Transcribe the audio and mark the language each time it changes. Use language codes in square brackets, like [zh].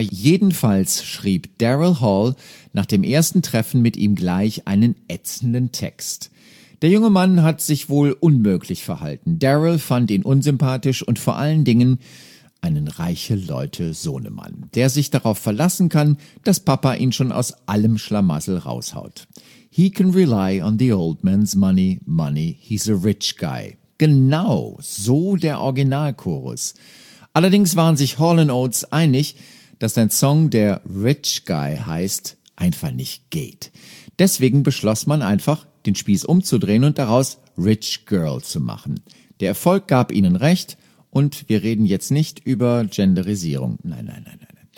[de] Jedenfalls schrieb Daryl Hall nach dem ersten Treffen mit ihm gleich einen ätzenden Text. Der junge Mann hat sich wohl unmöglich verhalten. Daryl fand ihn unsympathisch und vor allen Dingen einen Reiche-Leute-Sohnemann, der sich darauf verlassen kann, dass Papa ihn schon aus allem Schlamassel raushaut. [en] He can rely on the old man's money, money, he's a rich guy. [de] Genau, so der Originalchorus. Allerdings waren sich Hall & Oates einig, dass ein Song, der Rich Guy heißt, einfach nicht geht. Deswegen beschloss man einfach, den Spieß umzudrehen und daraus Rich Girl zu machen. Der Erfolg gab ihnen recht und wir reden jetzt nicht über Genderisierung. Nein, nein, nein, nein.